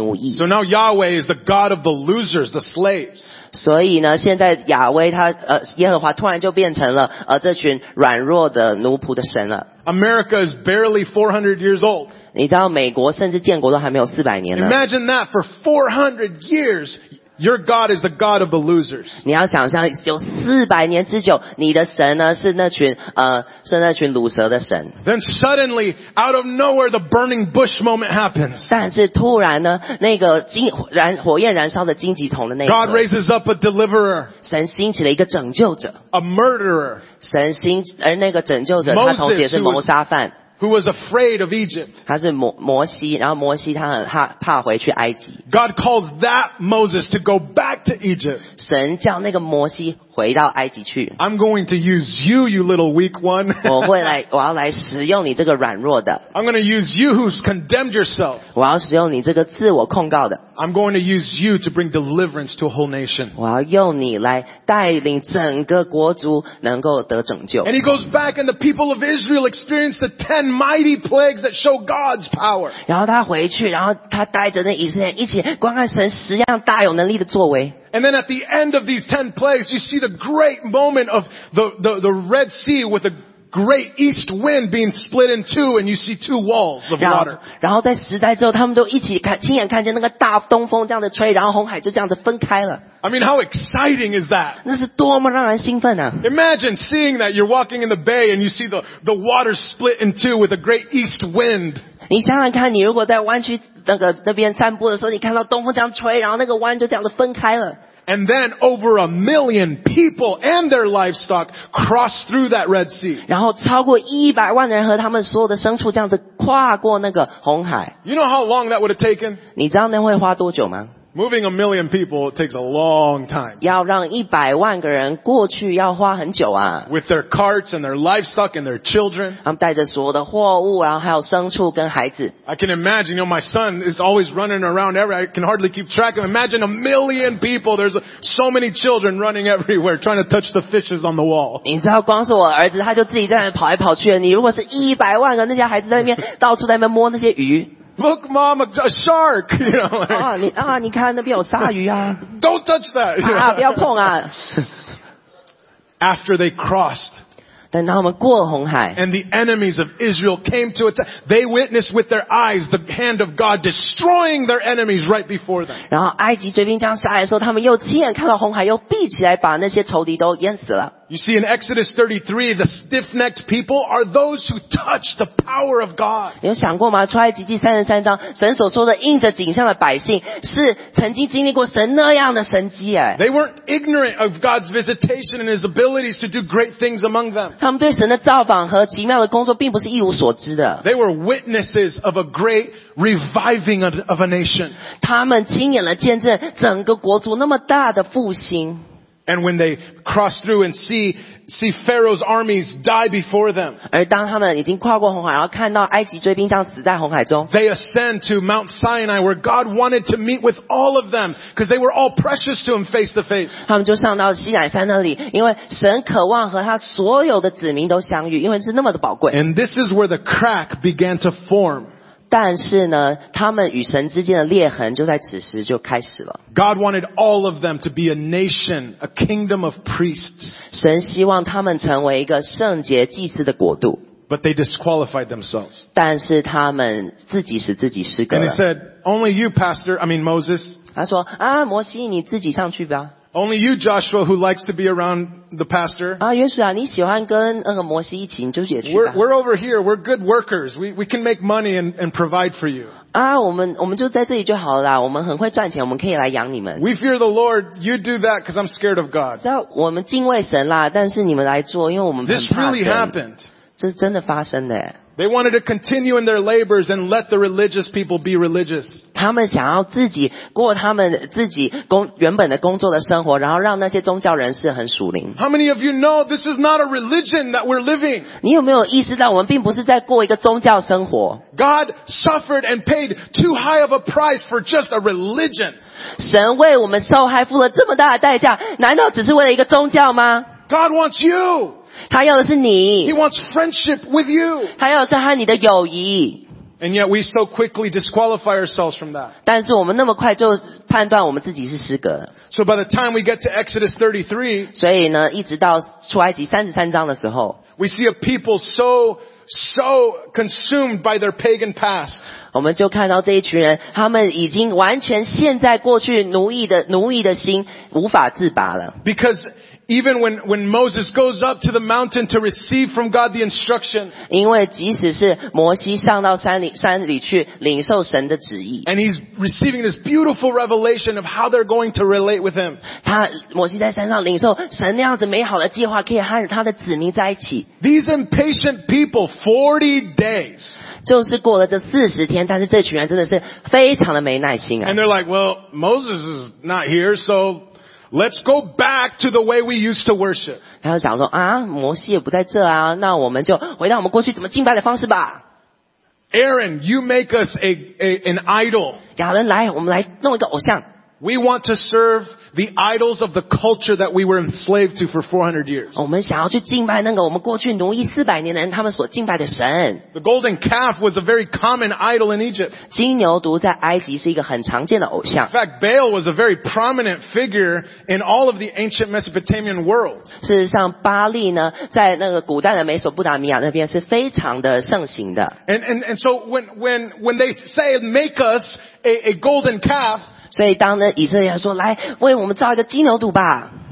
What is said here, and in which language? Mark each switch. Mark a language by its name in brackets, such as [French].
[English] So now Yahweh is the God of the losers, the slaves. [Chinese] 所以呢，现在亚威他耶和华突然就变成了这群软弱的奴仆的神了。 [English] America is barely 400 years old. [Chinese] 你知道美国甚至建国都还没有四百年呢。 [English] Imagine that for 400 years. Your God is the God of the losers. [Chinese] 你要想象有四百年之久，你的神呢是那群是那群鲁蛇的神。 [English] Then suddenly, out of nowhere, the burning bush moment happens. [Chinese] 但是突然呢，那个火焰燃烧的荆棘丛的那个。 [English] God raises up a deliverer. [Chinese] 神兴起了一个拯救者。 [English] A murderer. [Chinese] 神兴而那个拯救者，他同时也是谋杀犯。 [English] Who was afraid of Egypt? [Chinese] 他是摩西，然后摩西他很怕回去埃及。 [English] God called that Moses to go back to Egypt. [Chinese] 神叫那个摩西回到埃及去。 [English] I'm going to use you, you little weak one. [Chinese] 我要来使用你这个软弱的。 [English] I'm going to use you who's condemned yourself. [Chinese] 我要使用你这个自我控告的。 [English] I'm going to use you to bring deliverance to a whole nation. [Chinese] 我要用你来带领整个国族能够得拯救。 [English] And he goes back, and the people of Israel experienced the 10 mighty plagues that show God's power. [Chinese] 然后他回去，然后他带着那以色列一起观看神十样大有能力的作为。 [English] And then at the end of these 10 plagues, you see the great moment of the Red Sea with a great east wind being split in two, and you see two walls of water. [Chinese] 然后在十灾之后，他们都一起亲眼看见那个大东风这样的吹，然后红海就这样子分开了。 [English] I mean, how exciting is that? [Chinese] 那是多么让人兴奋啊！ [English] Imagine seeing that you're walking in the bay and you see the water split in two with a great east wind. [Chinese] 你想想看，你如果在湾区那个那边散步的时候，你看到东风这样吹，然后那个湾就这样子分开了。 [English] And then over 1 million people and their livestock crossed through that Red Sea. [Chinese] 然后超过100万人和他们所有的牲畜这样子跨过那个红海。 [English] You know how long that would have taken? [Chinese] 你知道那会花多久吗？ [English] Moving 1 million people takes a long time. [Chinese] 要让100万个人过去要花很久啊。 [English] With their carts and their livestock and their children. [Chinese] 他们带着所有的货物，然后还有牲畜跟孩子。 [English] I can imagine, you know, my son is always running around everywhere. I can hardly keep track of him. Imagine 1 million people. There's so many children running everywhere, trying to touch the fishes on the wall. [Chinese] 你知道，光是我儿子，他就自己在那跑来跑去的。你如果是100万个那些孩子在那边到处在那边摸那些鱼。 [English] Look, Mom, a shark. You know, like, [Chinese] 你看那边有鲨鱼啊。 [English] Don't touch that. [Chinese] 不要碰啊。 [English] After they crossed. [Chinese] 等他们过了红海。 [English] And the enemies of Israel came to attack. They witnessed with their eyes the hand of God destroying their enemies right before them. [Chinese] 然后埃及追兵这样杀来的时候，他们又亲眼看到红海又闭起来，把那些仇敌都淹死了。 [English] You see, in Exodus 33, the stiff-necked people are those who touch the power of God. [Chinese] 你有想过吗？出埃及记三十三章，神所说的应着景象的百姓，是曾经经历过神那样的神迹哎。 [English] They weren't ignorant of God's visitation and His abilities to do great things among them. [Chinese] 他们对神的造访和奇妙的工作并不是一无所知的。 [English] They were witnesses of a great reviving of a nation. [Chinese] 他们亲眼了见证整个国族那么大的复兴。 [English] And when they cross through and see Pharaoh's armies die before them, [Chinese] 而当他们已经跨过红海，然后看到埃及追兵这样死在红海中， [English] they ascend to Mount Sinai where God wanted to meet with all of them because they were all precious to Him face to face. [Chinese] 他们就上到西乃山那里，因为神渴望和他所有的子民都相遇，因为是那么的宝贵。 [English] And this is where the crack began to form. [Chinese] 但是呢，他们与神之间的裂痕就在此时就开始了。 [English] God wanted all of them to be a nation, a kingdom of priests. [Chinese] 神希望他们成为一个圣洁祭司的国度。 [English] But they disqualified themselves. [Chinese] 但是他们自己使自己失格了。 [English] And he said, only you, Pastor, I mean Moses. [Chinese] 他说啊，摩西，你自己上去吧。 [English] Only you, Joshua, who likes to be around the pastor. [Chinese] 啊，约书亚，你喜欢跟那个摩西一起，你就也去吧。 [English] We're over here. We're good workers. We can make money and provide for you. [Chinese] 啊，我们就在这里就好了啦。我们很会赚钱，我们可以来养你们。 [English] We fear the Lord. You do that because I'm scared of God. [Chinese] 知道我们敬畏神啦，但是你们来做，因为我们很怕神。 [English] This really happened. [Chinese] 这是真的发生的。 [English] They wanted to continue in their labors and let the religious people be religious. [Chinese] 他们想要自己过他们自己原本的工作的生活，然后让那些宗教人士很属灵。 [English] How many of you know this is not a religion that we're living? [Chinese] 你有没有意识到我们并不是在过一个宗教生活？ [English] God suffered and paid too high of a price for just a religion. [Chinese] 神为我们受害付了这么大的代价，难道只是为了一个宗教吗？ [English] God wants you. [Chinese] 他要的是你。 [English] He wants friendship with you. [Chinese] 他要的是和你的友谊。 [English] And yet we so quickly disqualify ourselves from that. [Chinese] 但是我们那么快就判断我们自己是失格。 [English] So by the time we get to Exodus 33, [Chinese] 所以呢，一直到出埃及三十三章的时候， [English] we see a people so consumed by their pagan past. [Chinese] 我们就看到这一群人，他们已经完全陷在过去奴役的心，无法自拔了。 [English] Because even when Moses goes up to the mountain to receive from God the instruction, [Chinese] 因为即使是摩西上到山里去领受神的旨意， [English] and he's receiving this beautiful revelation of how they're going to relate with him. [Chinese] 他摩西在山上领受神那样子美好的计划，可以和他的子民在一起。 [English] These impatient people, 40 days. [Chinese] 就是过了这40天，但是这群人真的是非常的没耐心啊。 [English] And they're like, well, Moses is not here, so. Let's go back to the way we used to worship. [Chinese] 他就想说啊，摩西也不在这啊，那我们就回到我们过去怎么敬拜的方式吧。 [English] Aaron, you make us an idol. [Chinese] 亚伦来，我们来弄一个偶像。 [English] We want to serve the idols of the culture that we were enslaved to for 400 years. [Chinese] 我们想要去敬拜那个我们过去奴役400年的人他们所敬拜的神。 [English] The golden calf was a very common idol in Egypt. [Chinese] 金牛犊在埃及是一个很常见的偶像。 [English] In fact, Baal was a very prominent figure in all of the ancient Mesopotamian world. [Chinese] 事实上巴利呢在那个古代的美索不达米亚那边是非常的盛行的。 [English] And so when they say make us a golden calf, [Chinese] 所以当呢以色列人说来为我们造一个金牛犊吧。